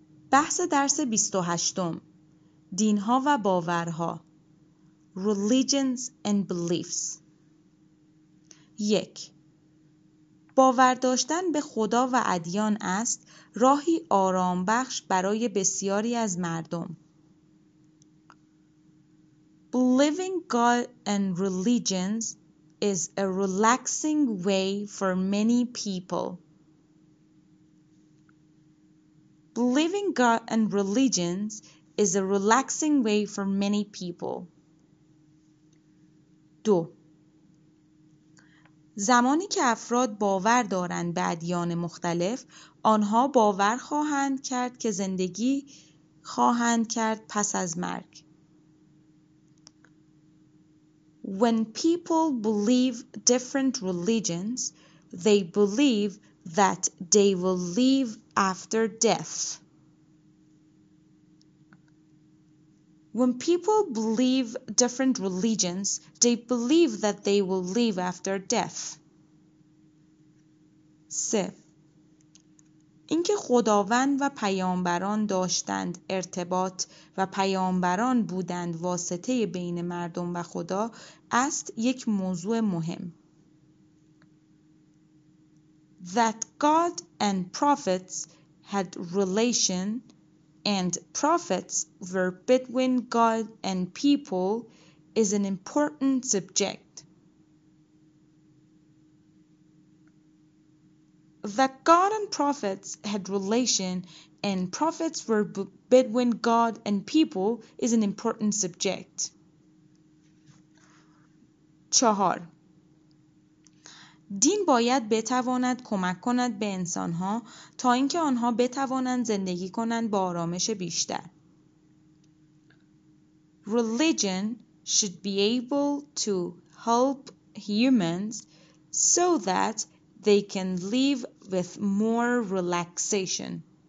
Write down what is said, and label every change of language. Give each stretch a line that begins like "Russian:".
Persian: بحث درس 28 دین ها و باورها
English: Religions and Beliefs 1.
Persian: باور داشتن به خدا و ادیان است راهی آرام بخش برای بسیاری از مردم.
English: Believing God and religions is a relaxing way for many people. Believing God and religions is a relaxing way for many people. 2.
Persian: زمانی که افراد باور دارند به ادیان مختلف، آنها باور خواهند کرد که زندگی خواهند کرد پس از مرگ.
English: When people believe different religions, they believe that they will live after death. When people believe different religions, they believe that they will live after death. 3.
Persian: اینکه خداوند و پیامبران داشتند ارتباط و پیامبران بودند واسطه بین مردم و خدا است یک موضوع مهم.
English: That God and prophets had relation and prophets were between God and people is an important subject. That God and prophets had relation and prophets were between God and people is an important subject. 4.
Persian: دین باید بتواند کمک کند به انسانها تا اینکه آنها بتوانند زندگی کنند با آرامش بیشتر.
English: Religion should be able to help humans so that they can live with more relaxation.